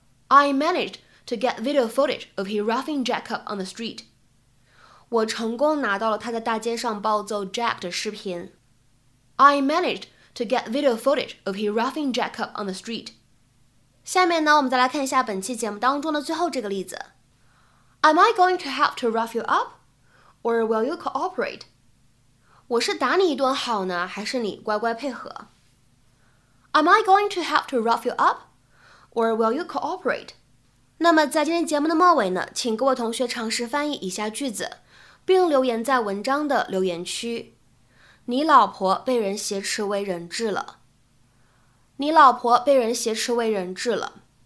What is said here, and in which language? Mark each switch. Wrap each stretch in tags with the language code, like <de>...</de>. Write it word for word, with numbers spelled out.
<en>I managed to get video footage of he roughing Jack up on the street。</en> <zh>我成功拿到了他在大街上暴揍 Jack 的视频。</zh> <en>I managed to get video footage of he roughing Jack up on the street。</en> <zh>下面呢，我们再来看一下本期节目当中的最后这个例子。</zh> <en>Am I going to help to rough you up, or will you cooperate?</en> <zh>我是打你一顿好呢，还是你乖乖配合？</zh> <en>Am I going to help to rough you up, or will you cooperate?</en> <zh>那么在今天节目的末尾呢，请各位同学尝试翻译以下句子，并留言在文章的留言区。你老婆被人挟持为人质了。你老婆被人挟持为人质了。</zh>